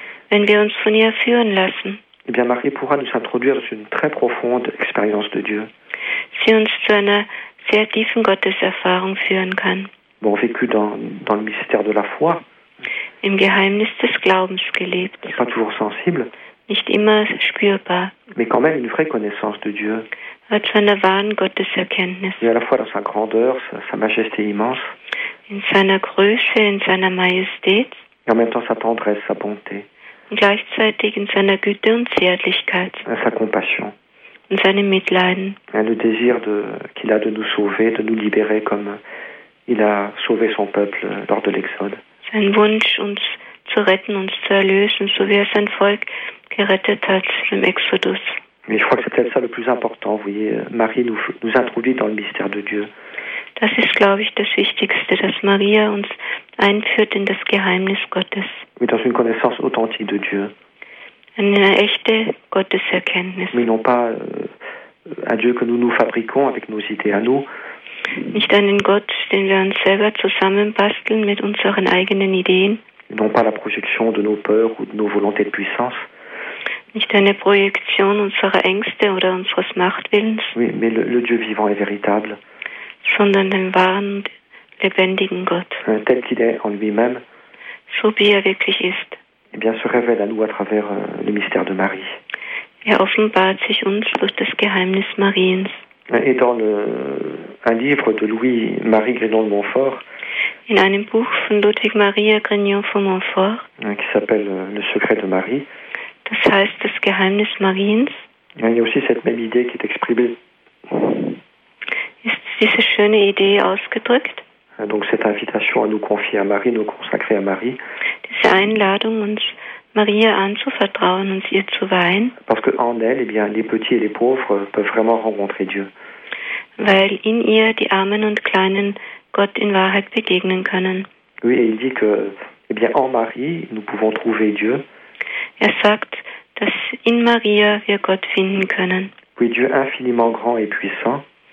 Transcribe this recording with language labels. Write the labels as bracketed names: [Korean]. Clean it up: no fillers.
[German] wenn wir uns von ihr führen lassen, [French] eh bien, Marie pourra nous introduire dans une très profonde expérience de Dieu. [German] Sie uns zu einer sehr tiefen Gotteserfahrung führen kann. [French] Bon, vécu dans le mystère de la foi. [German] Im Geheimnis des Glaubens gelebt. [French] Pas toujours sensible. [German] Nicht immer spürbar. [French] Mais quand même une vraie connaissance de Dieu. [German] Aber zu einer wahren Gotteserkenntnis. [French] Et à la fois dans sa grandeur, sa majesté immense. [German] In seiner Größe, in seiner Majestät. [French] Et en même temps sa tendresse, sa bonté. [German] Und gleichzeitig in seiner Güte und Zärtlichkeit. [French] Sa compassion. [German] In seinem Mitleiden. [French] Le désir qu'il a de nous sauver, de nous libérer comme il a sauvé son peuple lors de l'Exode. [German] Sein Wunsch, uns zu retten, uns zu erlösen, so wie er sein Volk gerettet hat im Exodus. [French] Mais je crois que c'est peut-être ça le plus important, vous voyez, Marie nous introduit dans le mystère de Dieu. [German] Das ist, glaube ich, das Wichtigste, dass Maria uns einführt in das Geheimnis Gottes. [French] Mais dans une connaissance authentique de Dieu. [German] Eine echte Gotteserkenntnis. [French] Mais non pas un Dieu que nous nous fabriquons avec nos idées à nous. [German] Nicht einen Gott, den wir uns selber zusammenbasteln mit unseren eigenen Ideen. [French] Non pas la projection de nos peurs ou de nos volontés de puissance. [German] Nicht eine Projektion unserer Ängste oder unseres Machtwillens. [French] Oui, mais le Dieu vivant et véritable. [German] Sondern den wahren, lebendigen Gott. [French] Tel qu'il est en lui-même. [German] So wie er wirklich ist. [French] Eh bien, se révèle à nous à travers le mystère de Marie. [German] Er offenbart sich uns durch das Geheimnis Mariens. [French] Et dans un livre de Louis-Marie Grignon de Montfort. [German] In einem Buch von Ludwig Maria Grignon von Montfort. [French] Qui s'appelle Le secret de Marie. [German] Das heißt das Geheimnis Mariens. [French] Il y a aussi cette même idée qui est exprimée. [German] Ist diese schöne Idee ausgedrückt? [French] Donc cette invitation à nous confier à Marie, nous consacrer à Marie. [German] Diese Einladung uns Maria anzuvertrauen und ihr zu weihen. [French] Parce que en elle, eh bien, les petits et les pauvres peuvent vraiment rencontrer Dieu. [German] Weil in ihr die Armen und Kleinen Gott in Wahrheit begegnen können. [French] Oui, et il dit que, eh bien, en Marie, nous pouvons trouver Dieu. [German] Er sagt, dass in Maria wir Gott finden können. [French] Oui, Dieu infiniment grand et puissant.